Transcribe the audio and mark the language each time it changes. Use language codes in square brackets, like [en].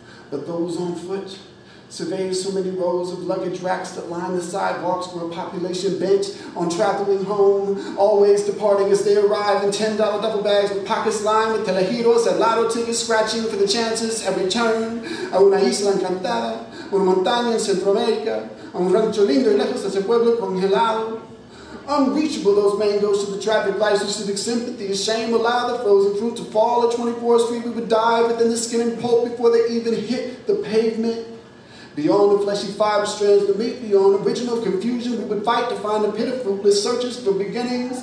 [en] But those on foot survey so many rows of luggage racks that line the sidewalks for a population bent on traveling home, always departing as they arrive in $10 duffel bags with pockets lined with telejitos and lotto tickets scratching for the chances at return. [es] A una isla encantada, una montaña en Centroamérica, a un rancho lindo y lejos de ese pueblo congelado. [en] Unreachable those mangoes to the traffic lights with civic sympathy. A shame allow the frozen fruit to fall at 24th Street. We would die within the skin and pulp before they even hit the pavement. Beyond the fleshy fiber strands, the meat beyond original confusion, we would fight to find a pit of fruitless searches for beginnings.